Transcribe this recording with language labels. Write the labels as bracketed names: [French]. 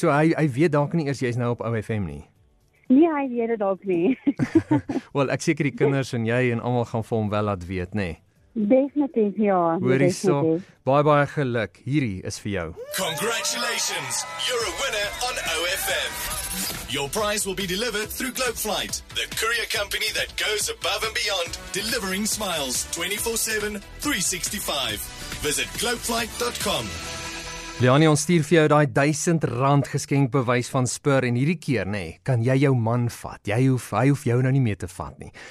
[Afrikaans] so hy weet dalk nie eers jy is nou op OFM nie? Nee, hy weet dit dalk nie. Wel, ek seker die kinders en jy en allemaal gaan vir hom wel laat weet, nee. Definitief, ja. Hoorie so, baie, baie geluk. Hierdie is vir jou. [English] Congratulations, you're a winner on OFM. Your prize will be delivered through Globeflight, the courier company that goes above and beyond, delivering smiles 24/7, 365. Visit globeflight.com. [Afrikaans] Leoni, ons stuur vir jou die 1000 rand geskenkbewys van Spur en hierdie keer, nee, kan jy jou man vat. Hy hoef jou nou nie meer te vat nie.